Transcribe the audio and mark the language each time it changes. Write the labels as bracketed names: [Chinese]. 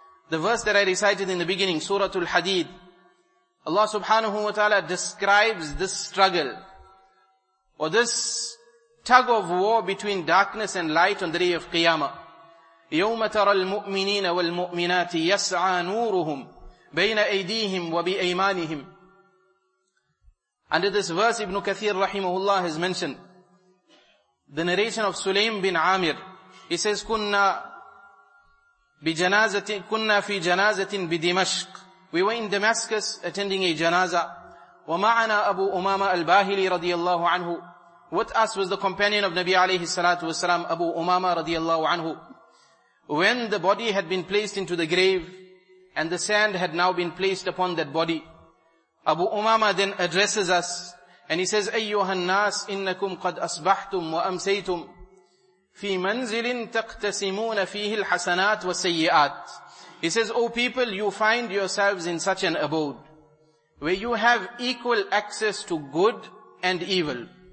[English] The verse that I recited in the beginning, Suratul Hadid, Allah subhanahu wa ta'ala describes this struggle, or this tug of war between darkness and light on the day of Qiyamah. يَوْمَ تَرَى الْمُؤْمِنِينَ وَالْمُؤْمِنَاتِ يَسْعَى نُورُهُمْ بَيْنَ أَيْدِيهِمْ وَبِأَيْمَانِهِمْ. Under this verse, Ibn Kathir rahimahullah has mentioned the narration of Sulaym bin Amir. He says, [Arabic] كُنَّا فِي جَنَازَةٍ بِدِمَشْقٍ. [English] We were in Damascus attending a janaza. [Arabic] وَمَعَنَا أَبُو أُمَامَ الْبَاهِلِي رَضِيَ اللَّهُ عَنْهُ. [English] With us was the companion of Nabi alayhi salatu wasalam, Abu Umama radiallahu anhu. When the body had been placed into the grave, and the sand had now been placed upon that body, Abu Umama then addresses us, and he says, [Arabic] أَيُّهَا النَّاسِ إِنَّكُمْ قَدْ أَصْبَحْتُمْ وَأَمْسَيْتُمْ فِي مَنْزِلٍ تَقْتَسِمُونَ فِيهِ الْحَسَنَاتِ وَالسَّيِّئَاتِ. [English] He says, O people, you find yourselves in such an abode, where you have equal access to good and evil.